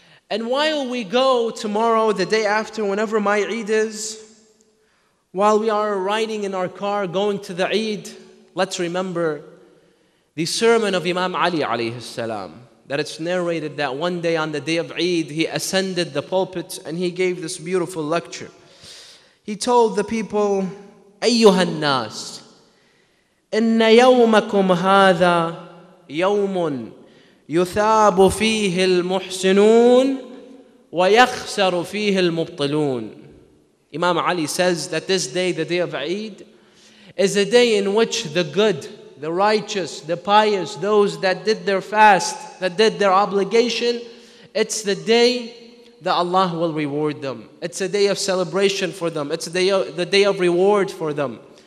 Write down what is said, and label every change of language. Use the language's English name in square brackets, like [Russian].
[English] And while we go tomorrow, the day after, whenever my Eid is, while we are riding in our car going to the Eid, let's remember the sermon of Imam Ali alayhi salam, that it's narrated that one day on the day of Eid, he ascended the pulpit and he gave this beautiful lecture. He told the people, [Arabic] أيها الناس إن يومكم هذا يوم يثاب فيه المحسنون ويخسر فيه المبطلون. [English] Imam Ali says that this day, the day of Eid, is a day in which the good, the righteous, the pious, those that did their fast, that did their obligation, it's the day that Allah will reward them. It's a day of celebration for them. It's the day of reward for them.